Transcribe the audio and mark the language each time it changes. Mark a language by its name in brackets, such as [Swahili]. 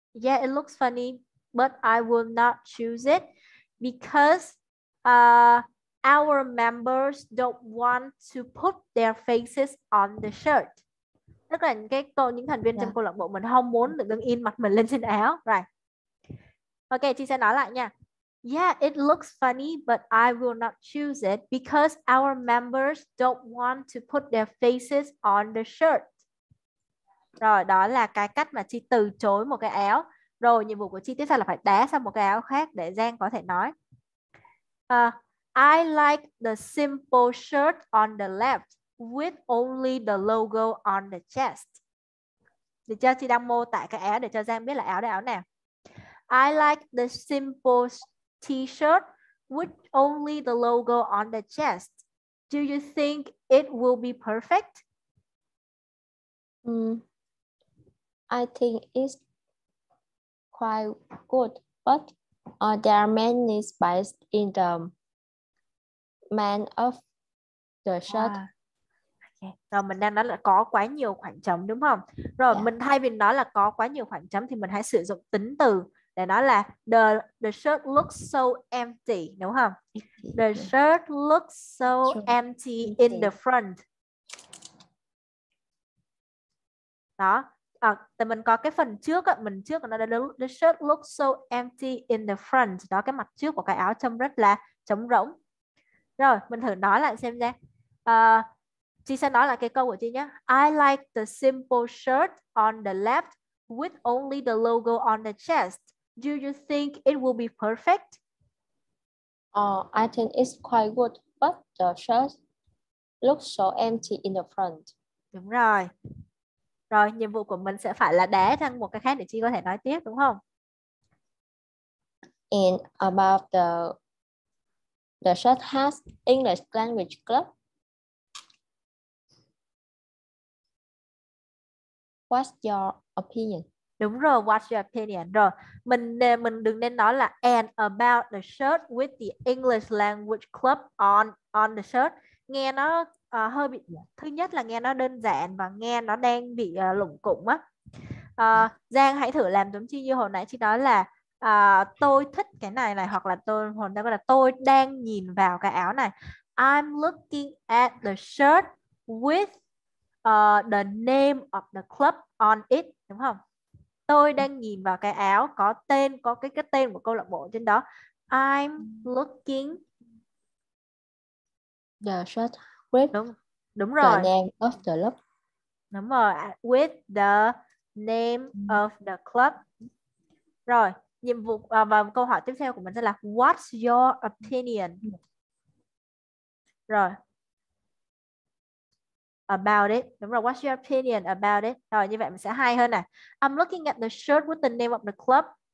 [English] Yeah, it looks funny, but I will not choose it because our members don't want to put their faces on the shirt. [Vietnamese] Tức là những thành viên trong câu lạc bộ mình không muốn được đứng in mặt mình lên trên áo. [English] Right. [Vietnamese] Ok, chị sẽ nói lại nha. [English] Yeah, it looks funny, but I will not choose it because our members don't want to put their faces on the shirt. [Vietnamese] Rồi, đó là cái cách mà chị từ chối một cái áo. Rồi, nhiệm vụ của chị tiếp theo là phải đá sang một cái áo khác để Giang có thể nói. [English] I like the simple shirt on the left with only the logo on the chest. [Vietnamese] Để cho chị đang mô tả cái áo để cho Giang biết là áo đây áo nào. [English] I like the simple t-shirt with only the logo on the chest. Do you think it will be perfect? I think it's quite good, but there are many spots in the man of the shirt. Wow. Okay. [Vietnamese] Rồi mình đang nói là có quá nhiều khoảng trống đúng không? Rồi yeah. Mình thay vì nói là có quá nhiều khoảng trống thì mình hãy sử dụng tính từ để nói là [English] the shirt looks so empty [Vietnamese] đúng không? [English] The shirt looks so empty in the front. [Vietnamese] Đó. À, thì mình có cái phần trước á, mình trước nó là [English] the shirt looks so empty in the front. [Vietnamese] Đó, cái mặt trước của cái áo trông rất là trống rỗng. Rồi, mình thử nói lại xem nha. Chị sẽ nói lại cái câu của chị nhé. [English] I like the simple shirt on the left with only the logo on the chest. Do you think it will be perfect? I think it's quite good, but the shirt looks so empty in the front. [Vietnamese] Đúng rồi. Rồi, nhiệm vụ của mình sẽ phải là đá sang một cái khác để chị có thể nói tiếp, đúng không? [English] And about the shirt has English language club. What's your opinion? [Vietnamese] Đúng rồi, [English] what's your opinion? [Vietnamese] Rồi, mình đừng nên nói là [English] and about the shirt with the English language club on the shirt. [Vietnamese] Nghe nó hơi bị, thứ nhất là nghe nó đơn giản và nghe nó đang bị lủng củng á. Giang hãy thử làm giống như hồi nãy chị nói là tôi thích cái này này, hoặc là tôi đang nhìn vào cái áo này. [English] I'm looking at the shirt with the name of the club on it, [Vietnamese] đúng không? Tôi đang nhìn vào cái áo có tên, có cái tên của câu lạc bộ trên đó. [English] I'm looking the shirt with [Vietnamese] đúng rồi. [English] The name of the club. [Vietnamese] Đúng rồi, [English] with the name of the club. [Vietnamese] Rồi, nhiệm vụ và câu hỏi tiếp theo của mình sẽ là [English] what's your opinion? [Vietnamese] Rồi. [English] About it. [Vietnamese] Đúng rồi. [English] What's your opinion about it? [Vietnamese] Rồi như vậy mình sẽ hay hơn này. [English] I'm looking at the shirt with the name of the club.